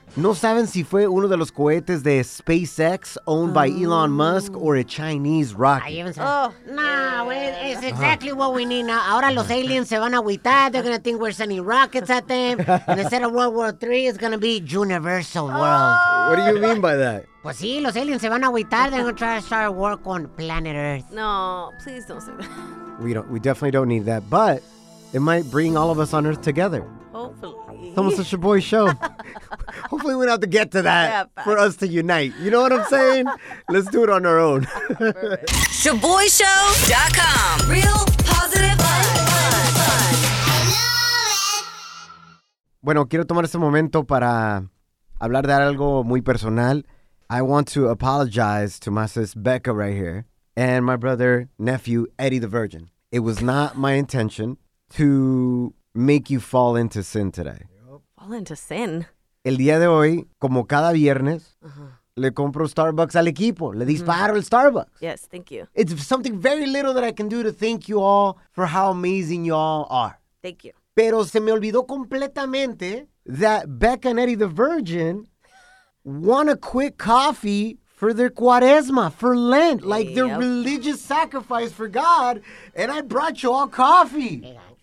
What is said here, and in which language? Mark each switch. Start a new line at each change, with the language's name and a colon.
Spanish: No saben si fue uno de los cohetes de SpaceX
English: owned by Elon Musk or a Chinese rocket. It's exactly what we need now.
Spanish: Ahora los aliens se van a agüitar.
English: They're going to think we're sending rockets at them. And instead of World War III, it's going to be Universal World. What do you mean by that?
Spanish: Pues sí, los aliens se van a agüitar.
English: They're going to try to start work on planet Earth. No, please don't say that. We definitely don't need that, but it might bring all of us on Earth together. Hopefully. It's almost a Shoboy show. Hopefully we don't have to get to that for us to unite. You know what I'm saying? Let's do it on our own. ShoboyShow.com. Real positive fun.
Spanish: Bueno, quiero tomar este momento para hablar de algo muy personal.
English: I want to apologize to my sis Becca right here and my brother, nephew, Eddie the Virgin. It was not my intention to make you fall into sin today. Fall into sin?
Spanish: El día de hoy, como cada viernes, le compro Starbucks al equipo. Le disparo el Starbucks.
English: Yes, thank you. It's something very little that I can do to thank you all for how amazing you all are. Thank you.
Spanish: Pero se me olvidó completamente
English: that Becca and Eddie the Virgin want a quick coffee for their Cuaresma, for Lent, like their religious sacrifice for God, and I brought you all coffee.